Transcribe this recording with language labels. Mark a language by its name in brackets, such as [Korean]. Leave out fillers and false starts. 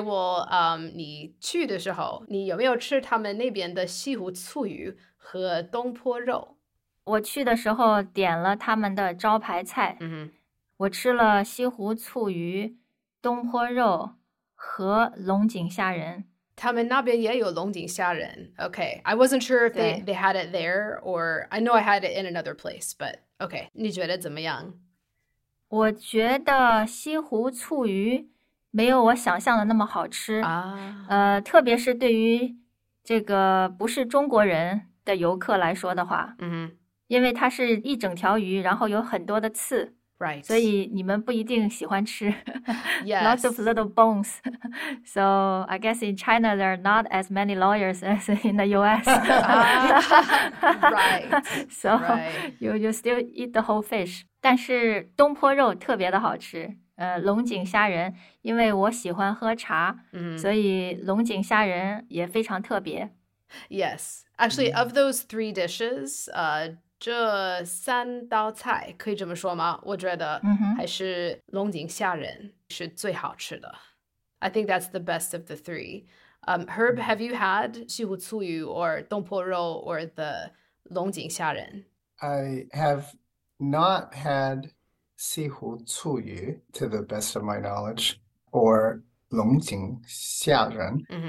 [Chinese] well, 你去的时候,你有没有吃他们那边的西湖醋鱼和东坡肉? 我去的时候点了他们的招牌菜, 我吃了西湖醋鱼,东坡肉和龙井虾仁。他们那边也有龙井虾仁, okay. [English] I wasn't sure if they had it there, or I know I had it in another place, but okay. [Chinese] 你觉得怎么样? 我觉得西湖醋鱼没有我想象的那么好吃, 特别是对于这个不是中国人的游客来说的话, 因为它是一整条鱼, 然后有很多的刺, [English] right. [Chinese] 所以你们不一定喜欢吃, [English] yes. lots of little bones. So I guess in China, there are not as many lawyers as in the US. right. So right. You still eat the whole fish. [Chinese] 但是东坡肉特别的好吃, 龙井虾仁, 因为我喜欢喝茶, 所以龙井虾仁也非常特别。 [English] Yes. Actually, of those three dishes, [Chinese] 这三道菜可以这么说吗？我觉得嗯哼。还是龙井虾仁是最好吃的。 [English] I think that's the best of the three. Herb, have you had 西湖醋鱼 or 东坡肉 or the 龙井虾仁？ I have not had Sihu Tsuyu, to the best of my knowledge, or Longjing Xiaren.